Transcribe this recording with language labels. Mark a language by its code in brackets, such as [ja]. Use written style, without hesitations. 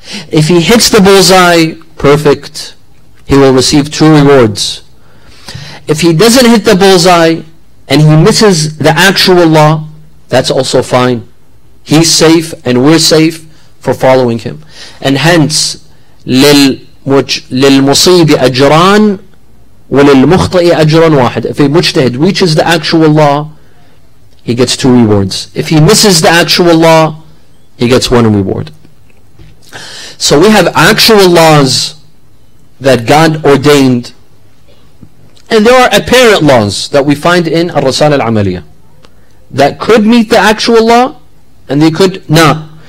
[en] If he hits the bullseye, perfect, he will receive two rewards. If he doesn't hit the bullseye, and he misses the actual law, that's also fine. He's safe and we're safe for following him. And hence, [ar] لِلْمُصِيبِ أَجْرَانٍ وَلِلْمُخْطَئِ أَجْرًا وَاحِدٍ. [en] If a mujtahid reaches the actual law, he gets two rewards. If he misses the actual law, he gets one reward. So we have actual laws that God ordained. And there are apparent laws that we find in Ar-Rasal Al-Amaliyah that could meet the actual law and they could not.